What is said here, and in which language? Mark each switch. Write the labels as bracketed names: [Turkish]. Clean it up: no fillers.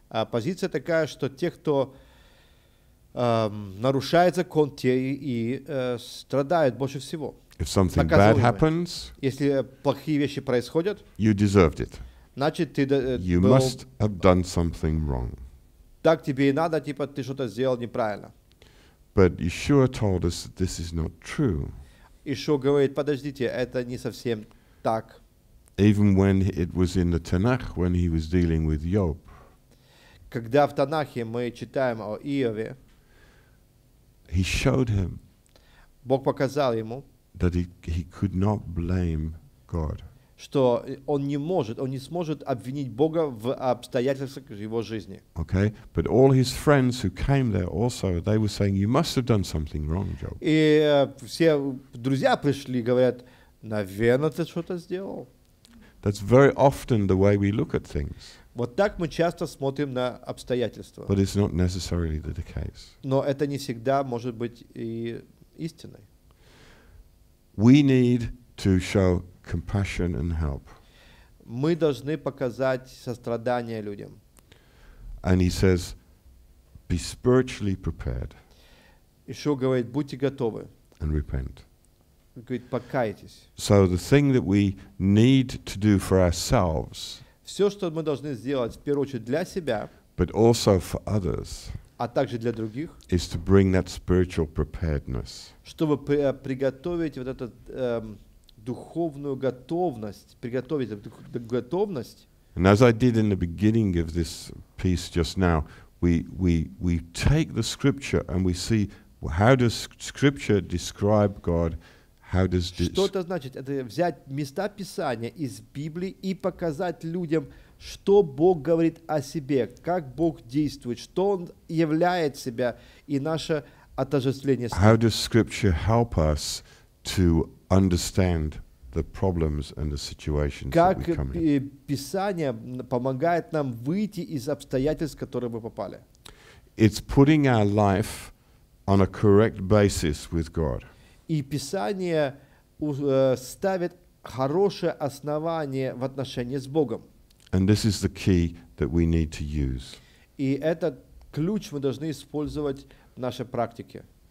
[Russian] Позиция такая, что те, кто нарушает закон, те и страдают больше всего. [English] If something bad happens, [Russian] если плохие вещи происходят, [English] you deserved it. [Russian] Значит, ты [English] you must have done something wrong. [Russian] Так тебе и надо, типа ты что-то сделал неправильно. [English] But Yeshua told us that this is not true. [Russian] Ишуа говорит, подождите, это не совсем так. [English] Even when it was in the Tanakh, when he was dealing with Job. [Russian] Когда в Танахе мы читаем о Иове, [English] he showed him. [Russian] Бог показал ему, [English] that he could not blame God. [Russian] Что он не может, он не сможет обвинить Бога в обстоятельствах его жизни. [English] Okay, but all his friends who came there also, they were saying, you must have done something wrong, Job. [Russian] И все друзья пришли, говорят, наверное, ты что-то сделал. [English] That's very often the way we look at things. [Russian] Вот так мы часто смотрим на обстоятельства. [English] But it's not necessarily the case. [Russian] Но это не всегда может быть и истиной. [English] We need to show compassion and help. [Russian] Мы должны показать сострадание людям. [English] And he says, be spiritually prepared. [Russian] Ишуа говорит, будьте готовы. [English] And repent. [Russian] Говорит, покайтесь. [English] So the thing that we need to do for ourselves. [Russian] Все, что мы должны сделать, в первую очередь для себя. [English] But also for others. [Russian] А также для других. [English] Is to bring that spiritual preparedness. [Russian] Чтобы приготовить вот этот духовную готовность, приготовить готовность. [English] And as I did in the beginning of this piece just now, we take the scripture and we see how does scripture describe God, how does [Russian] что это значит? Это взять места Писания из Библии и показать людям, что Бог говорит о себе, как Бог действует, что Он являет себя и наше отождествление. [English] How does Scripture help us to understand the problems and the situations that we come in? [Russian] Как Писание помогает нам выйти из обстоятельств, в которые мы попали? [English] It's putting our life on a correct basis with God. [Russian] И Писание ставит хорошее основание в отношении с Богом. [English] And this is the key that we need to use. [Russian] И этот ключ мы должны использовать в нашей практике.